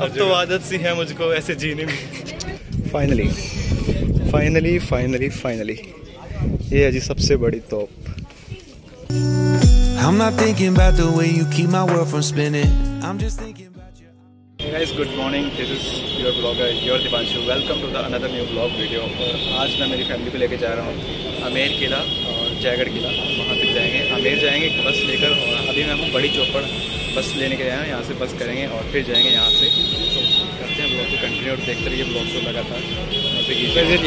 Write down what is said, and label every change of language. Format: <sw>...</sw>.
<hi>अब तो आदत सी है मुझको ऐसे जीने में। फाइनली फाइनली फाइनली फाइनली ये है जी सबसे बड़ी top.</hi> <en>I'm not thinking about the way you keep my world from spinning. I'm just thinking about you. Hey guys, good morning. This is your vlogger, your Dipanshu. Welcome to the another new vlog video.</en> <hi>आज मैं मेरी family को लेके जा रहा हूँ आमेर किला और जयगढ़ किला। वहाँ तक जाएंगे, आमेर जाएंगे एक बस लेकर और अभी मैं हूँ बड़ी चौपड़ बस लेने के आया हूँ। यहाँ से बस करेंगे और फिर जाएंगे यहाँ से करते हैं ब्लॉग को कंटिन्यू और देखते रहिए ब्लॉग को लगातार।</hi>